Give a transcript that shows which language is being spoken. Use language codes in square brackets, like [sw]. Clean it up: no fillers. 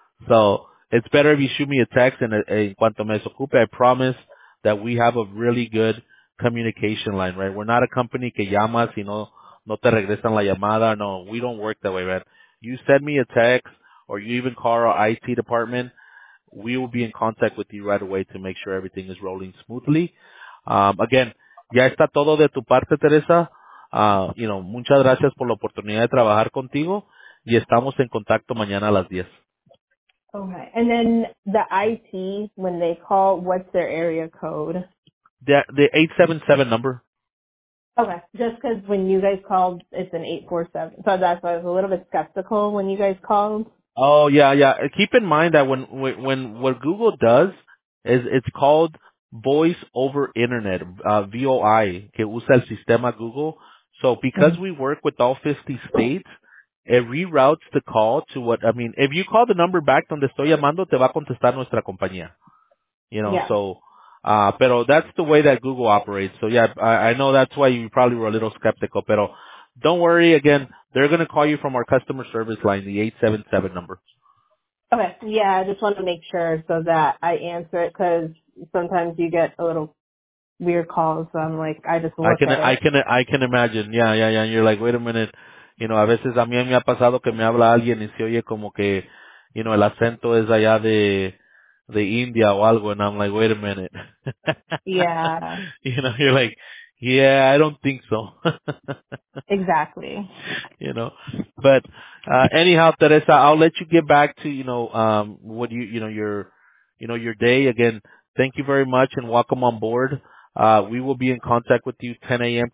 [en] So it's better if you shoot me a text, and [es] en cuanto me desocupe, [en] I promise that we have a really good communication line, right? We're not a company [es] que llama si no te regresan la llamada. [en] No, we don't work that way, man. You send me a text, or you even call our IT department, we will be in contact with you right away to make sure everything is rolling smoothly. Again, [es] ya está todo de tu parte, Teresa. [en] You know, [es] muchas gracias por la oportunidad de trabajar contigo, y estamos en contacto mañana a las 10. [en] Okay, and then the IT, when they call, what's their area code? The 877 number. Okay, just because when you guys called, it's an 847. So that's why I was a little bit skeptical when you guys called. Oh, yeah. Keep in mind that when what Google does is it's called voice over internet, VOI, [es] que usa el sistema Google. [en] So because we work with all 50 states, it reroutes the call to what, I mean, if you call the number back [es] donde estoy llamando, te va a contestar nuestra compañía. [en] You know, yeah. So, pero that's the way that Google operates. So, yeah, I know that's why you probably were a little skeptical, pero don't worry, again, they're going to call you from our customer service line, the 877 number. Okay, yeah, I just want to make sure so that I answer it, because sometimes you get a little weird calls, so I'm like, I just look at it. I can imagine, yeah, and you're like, wait a minute. [es] You know, a veces a mí me ha pasado que me habla alguien y se oye como que, [en] you know, [es] el acento es allá de India o algo, [en] and I'm like, wait a minute. Yeah. You know, you're like, yeah, I don't think so. Exactly. You know, but anyhow, Teresa, I'll let you get back to, you know, what you know, your day. Again, thank you very much and welcome on board. We will be in contact with you 10 a.m.